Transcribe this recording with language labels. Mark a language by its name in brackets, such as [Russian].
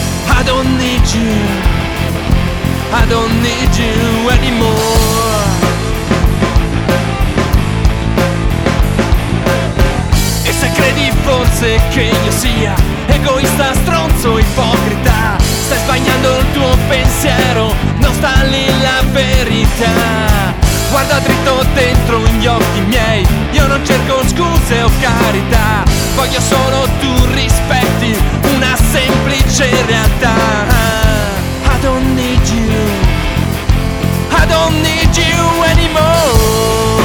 [English] I don't need you, I don't need you anymore. [Italian] Credi forse che io sia egoista, stronzo, ipocrita? Stai sbagliando il tuo pensiero, non sta lì la verità. Guarda dritto dentro gli occhi miei, io non cerco scuse o carità. Voglio solo tu rispetti una semplice realtà. [English] I don't need you, I don't need you anymore.